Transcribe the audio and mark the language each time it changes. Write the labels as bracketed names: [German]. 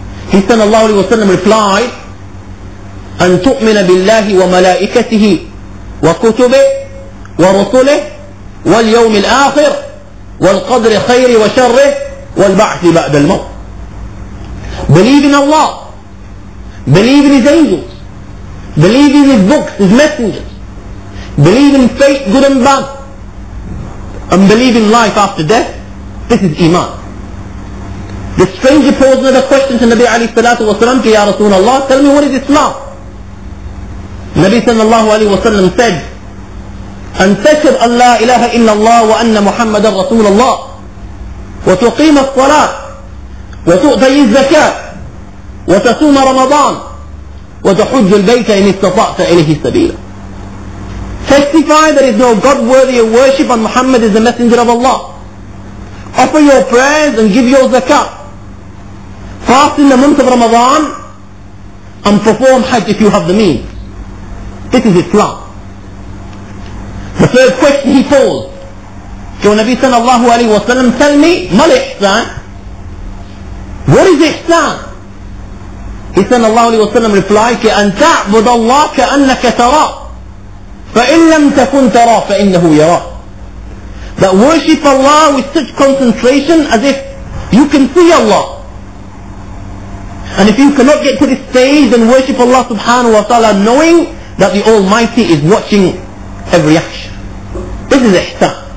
[English] He said, Allah alayhi wa sallam replied, [Arabic] أن تؤمن بالله وملائكته وكتبه ورسله واليوم الآخر والقدر خير وشره والبعث بعد الموت. [English] Believe in Allah. Believe in His angels. Believe in His books, His messengers. Believe in faith, good and bad. And believe in life after death. This is Iman. The stranger posed another question to Nabi alayhi salatu wa sallam, Ya Rasulullah, tell me, what is Islam? Nabi sallallahu alayhi wa sallam said, [Arabic] أن تشهد أن لا إله إلا الله وأن محمد رسول الله وتقيم الصلاة وتؤتي الزكاة وتصوم رمضان وتحج البيت إن استطعت إليه سبيلا. [English] Testify there is no God worthy of worship and Muhammad is the messenger of Allah. Offer your prayers and give your zakat. Fast in the month of Ramadan and perform Hajj if you have the means. This is Islam. The third question he posed to Nabi sallallahu alayhi wa sallam, tell me, mal ihsan? What is ihsan? He sallallahu alayhi wa sallam replied, [Arabic] كَأَنْ تَعْبُدَ اللَّهِ كَأَنَّكَ تَرَى فَإِنْ لَمْ تَكُنْ تَرَى فَإِنَّهُ يَرَى. [English] That worship Allah with such concentration as if you can see Allah. And if you cannot get to this stage, then worship Allah subhanahu wa ta'ala knowing that the Almighty is watching every action. This is ihsan.